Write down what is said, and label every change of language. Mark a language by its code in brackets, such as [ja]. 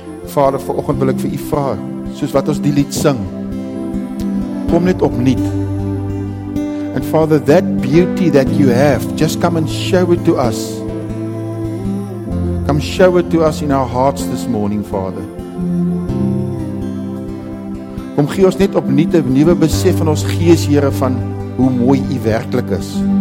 [af] Vader, vanoggend wil ek vir U vra, soos wat ons die lied sing, kom net opnuut. [en] And Father, that beauty that you have, just come and show it to us. Come show it to us in our hearts this morning, Father. [af] Kom gee ons net opnuut 'n nuwe besef in ons gees, Here, van hoe mooi U werklik is.